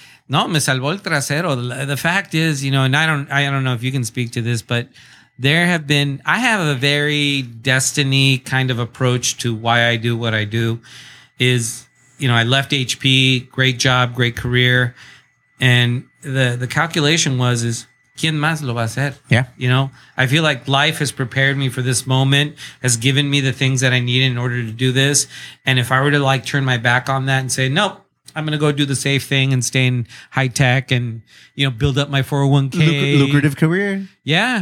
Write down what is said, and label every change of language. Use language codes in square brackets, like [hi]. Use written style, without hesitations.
[es] No, me salvó el trasero. [en] The fact is, you know, and I don't know if you can speak to this, but I have a very destiny kind of approach to why I do what I do. Is, you know, I left HP, great job, great career. And the calculation was, [es] ¿quién más lo va a hacer? [en] Yeah. You know, I feel like life has prepared me for this moment, has given me the things that I need in order to do this. And if I were to like turn my back on that and say, nope, I'm going to go do the safe thing and stay in high tech and, you know, build up my 401k. Lucrative career. Yeah.